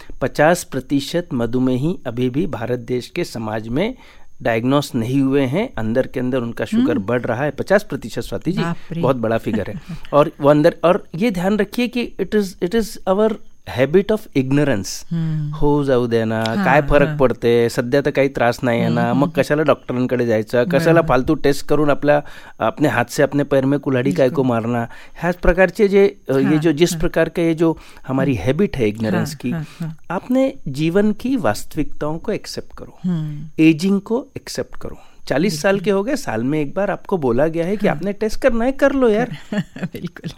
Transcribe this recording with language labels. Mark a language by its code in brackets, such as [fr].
[hi] 50% मधुमेह ही अभी भी भारत देश के समाज में डायग्नोस नहीं हुए हैं. अंदर के अंदर उनका शुगर बढ़ रहा है 50%. स्वाति जी, बहुत बड़ा फिगर है. और वो अंदर, और ये ध्यान रखिए कि [en] It is our habit of ignorance. [mr] हो जाऊ देना, काय फरक पडते, सध्या तर काही त्रास नाही आहे ना, मग कशाला डॉक्टरांकडे जायचं, कशाला फालतू टेस्ट करून आपल्या [hi] अपने हात से अपने पैर में कुल्हाडी काय को मारना. [mr] ह्याच प्रकारचे जे [hi] ये जो जिस प्रकार का ये जो हमारी हैबिट है इग्नोरेंस की, आपने जीवन की वास्तविकताओं को एक्सेप्ट करो, एजिंग को एक्सेप्ट करो. 40 साल के हो गए, साल में एक बार आपको बोला गया है कि आपने टेस्ट करना है, कर लो यार. बिल्कुल.